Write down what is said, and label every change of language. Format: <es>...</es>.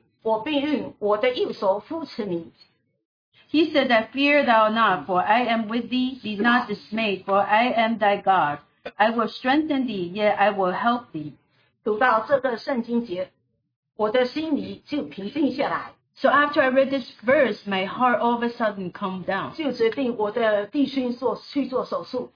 <zh>他说你不要惧怕，因为我与你同在。不要惊慌，因为我是你的神，我必坚固你，我必帮助你，我必用我的右手扶持你。</zh> <en>He said that, fear thou not, for I am with thee, be not dismayed, for I am thy God. I will strengthen thee, yet I will help thee.</en> <zh>读到这个圣经节，我的心里就平静下来。</zh> <en>So after I read this verse, my heart all of a sudden calmed down.</en> <zh>就决定我的弟兄去做手术。</zh>